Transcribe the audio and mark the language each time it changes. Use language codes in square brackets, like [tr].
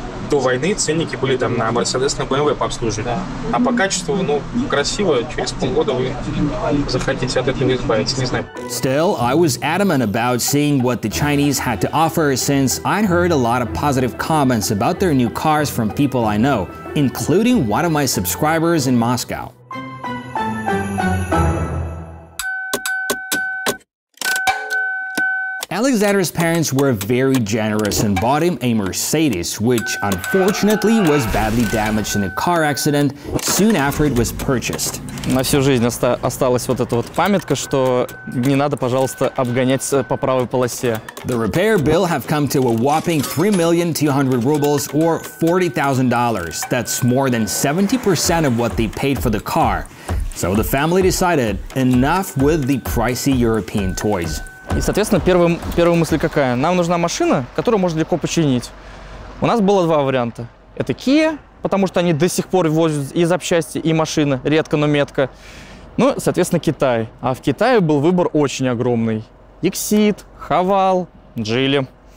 [ru] До войны ценники были там на Mercedes, на BMW по обслуживанию. А по качеству, ну, красиво, через полгода вы захотите от этого избавиться, не знаю. [en] Still, I was adamant about seeing what the Chinese had to offer, since I'd heard a lot of positive comments about their new cars from people I know, including one of my subscribers in Moscow. Alexander's parents were very generous and bought him a Mercedes, which unfortunately was badly damaged in a car accident soon after it was purchased. [ru] На всю жизнь осталась вот эта вот памятка, что не надо, пожалуйста, обгонять по правой полосе. [en] The repair bill have come to a whopping 3,200 rubles or $40,000. That's more than 70% of what they paid for the car. So the family decided, enough with the pricey European toys. [ru] И, соответственно, первая мысль какая? Нам нужна машина, которую можно легко починить. У нас было два варианта. Это Kia, потому что они до сих пор возят и запчасти, и машины, редко, но метко. Ну, соответственно, Китай. А в Китае был выбор очень огромный. Exit, Haval, Geely.